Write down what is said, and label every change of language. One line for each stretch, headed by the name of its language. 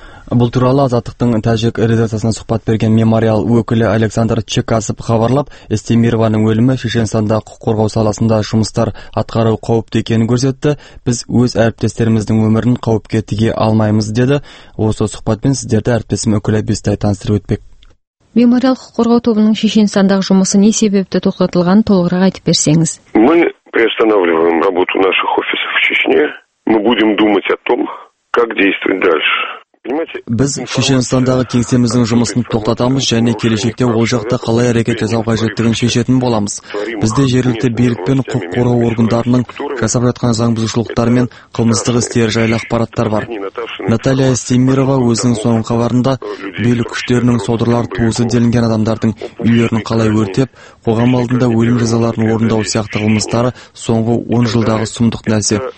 Kazakh: Бұл туралы Азаттықтың тәжік редакциясына сұхбат берген мемориал өкілі Александр Чекасов хабарлап, Естемированың өлімі Шешенстанда құқық қорғау саласында жұмыстар атқару қауіпті екенін көрсетті. Біз өз әріптестеріміздің өмірін қауіпке тіге алмаймыз деді. Осы сұхбатпен сіздерді әріптесім өкілі Бестай таныстырып өтпек. Мемориал құқық қорғау тобының Шешенстандағы жұмысы не себепті тоқтатылғанын толығырақ айтып берсеңіз.
Russian: Мы приостанавливаем работу наших офисов в Чечне. Мы будем думать о том, как действовать дальше.
Kazakh: Біз Шешенстандағы кеңсеміздің жұмысын тоқтатамыз және келешекте ол жақта қалай әрекет жасау қажеттігін шешетін боламыз. Бізде жергілікті билік пен құқық қорғау органдарының жасап жатқан заңбұзушылықтар мен қылмыстық істер жайлы ақпараттар бар. Наталья Семирова өзінің соңғы хабарында билік күштерінің содырлар туысы делінген адамдардың үйлерін қалай өртеп, қоғам алдында өлім жазаларын орындау сияқты қылмыстары соңғы 10 жылдағы сұмдық нәрсе.